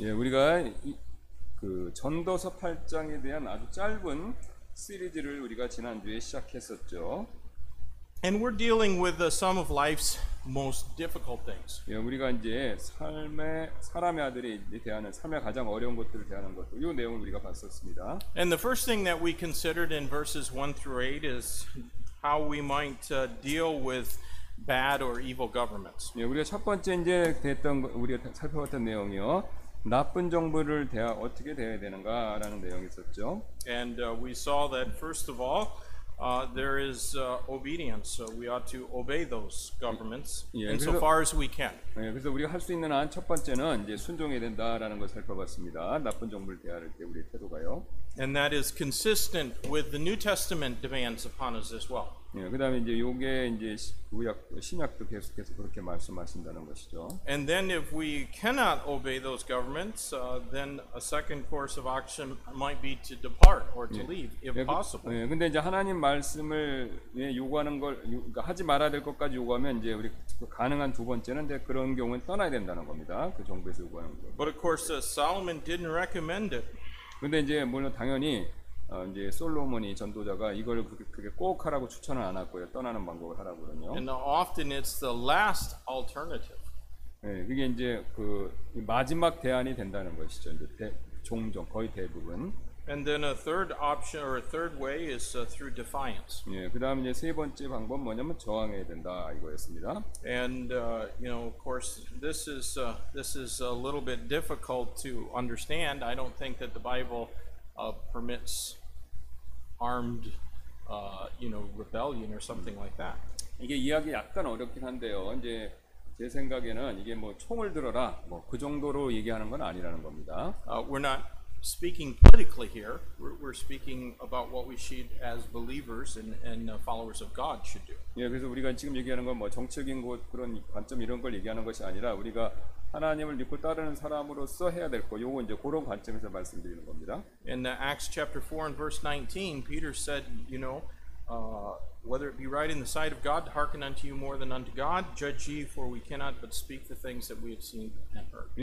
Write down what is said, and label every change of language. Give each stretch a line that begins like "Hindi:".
Korean: 예, 우리가 그 전도서 8장에 대한 아주 짧은 시리즈를 우리가 지난 주에 시작했었죠.
English: And we're dealing with some of life's most difficult things.
Korean: 예, 우리가 이제 삶의 사람의 아들이 대하는 삶의 가장 어려운 것들을 대하는 것, 이 내용을 우리가 봤었습니다.
English: And the first thing that we considered in verses 1 through 8 is how we might deal with bad or evil governments.
Korean: 예, 우리가 첫 번째 이제 됐던 우리가 살펴봤던 내용이요. 나쁜 정부를 대하 어떻게 대해야 되는가라는 내용이 있었죠.
English: And we saw that first of all there is obedience, so we ought to obey those governments insofar as we can.
Korean: 예, 그래서 우리가 할 수 있는 한 첫 번째는 이제 순종해야 된다라는 걸 살펴봤습니다. 나쁜 정부를 대할 때 우리의 태도가요.
English: And that is consistent with the New Testament demands upon us as well.
Korean: 예, 그다음에 이제 요게 이제 구약 신약도 계속해서 그렇게 말씀하신다는 것이죠.
English: And then if we cannot obey those governments, then a second course of action might be to depart or to leave if possible.
Korean: 예, 근데 이제 하나님 말씀을 예, 요구하는 걸 그러니까 하지 말아야 될 것까지 요구하면 이제 우리 가능한 두 번째는 이제 그런 경우는 떠나야 된다는 겁니다. 그 정부에서 요구하는 거.
English: But of course Solomon didn't recommend it.
Korean: 근데 이제 물론 당연히 이제 솔로몬이 전도자가 이걸 그게 꼭 하라고 추천을 안 했고요. 떠나는 방법을 하라고는요.
English: And often it's the last alternative.
Korean: 예, 네, 그게 이제 그 마지막 대안이 된다는 것이죠. 이제 종종 거의 대부분.
English: And then a third option or a third way is through defiance.
Korean: 예, 네, 그다음 이제 세 번째 방법 뭐냐면 저항해야 된다 이거였습니다.
English: And you know, of course, this is a little bit difficult to understand. I don't think that the Bible permits armed, you know, rebellion or something like that.
Korean: 이게 이야기 약간 어렵긴 한데요. 이제 제 생각에는 이게 뭐 총을 들어라 뭐 그 정도로 얘기하는 건 아니라는 겁니다.
English: We're not speaking politically here. We're speaking about what we should, as believers and followers of God, should do.
Korean: 예, 그래서 우리가 지금 얘기하는 건 뭐 정책인 것 그런 관점 이런 걸 얘기하는 것이 아니라 우리가 하나님을 믿고 따르는 사람으로서 해야 될 거. 요거 이제 그런 관점에서 말씀드리는 겁니다.
English: In Acts chapter 4 and verse 19, Peter said, you know, whether it be right in the sight of God to hearken unto you more than unto God, judge ye, for we cannot but speak the things that we have seen and heard.